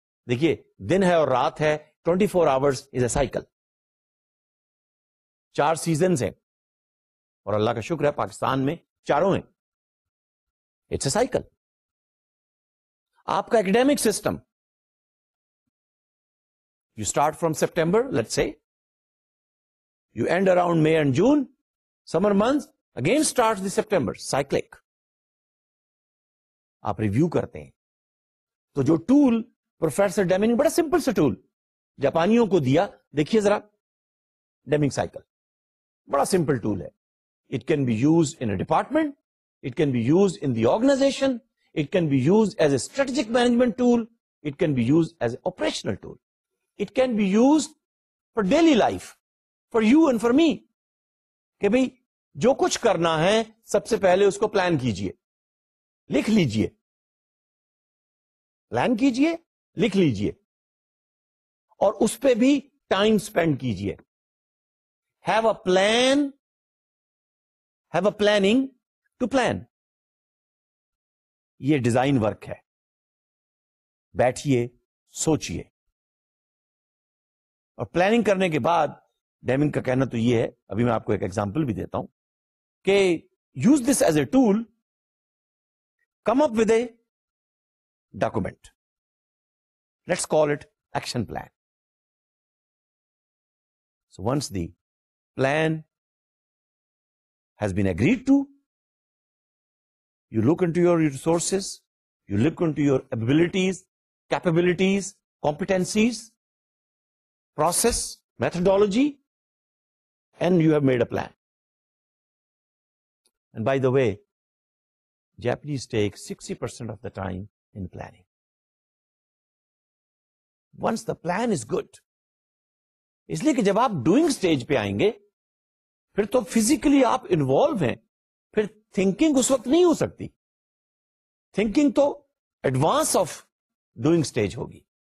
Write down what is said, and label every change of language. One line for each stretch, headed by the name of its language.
Urdu: دیکھیے دن ہے اور رات ہے
English: 24 hours is a cycle.
Urdu: چار seasons ہیں اور اللہ کا شکر ہے پاکستان میں چاروں ہیں.
English: It's a cycle.
Urdu: آپ کا
English: academic system, you start from September, let's say, you end around May and June, summer months, again starts the September, cyclic.
Urdu: آپ ریویو کرتے ہیں تو جو ٹول پروفیسر ڈیمنگ بڑا سمپل سا ٹول جاپانیوں کو دیا دیکھیے ذرا ڈیمنگ سائیکل بڑا سمپل ٹول ہے.
English: It can be use in a department it can be use in the organization it can be use as a strategic management tool it can be use as a operational tool it can be use for daily life, for you and for me.
Urdu: کہ بھئی جو کچھ کرنا ہے سب سے پہلے اس کو plan کیجئے, لکھ لیجئے, پلان کیجئے, لکھ لیجئے, اور اس پہ بھی ٹائم اسپینڈ کیجئے.
English: Have a plan, have a planning to plan.
Urdu: یہ ڈیزائن ورک ہے. بیٹھیے, سوچئے, اور پلاننگ کرنے کے بعد ڈیمنگ کا کہنا تو یہ ہے, ابھی میں آپ کو ایک ایگزامپل بھی دیتا ہوں, کہ
English: Use this as a tool, come up with a document, let's call it action plan. So once the plan has been agreed to, you look into your resources, you look into your abilities, capabilities, competencies, process, methodology, and you have made a plan. And by the way, Japanese take 60% of the time in planning. Once the plan is good,
Urdu: اس لیے کہ جب آپ doing stage پہ آئیں گے پھر تو physically آپ انوالو ہیں, پھر تھنکنگ اس وقت نہیں ہو سکتی, تھنکنگ تو
English: advance of doing stage
Urdu: ہوگی.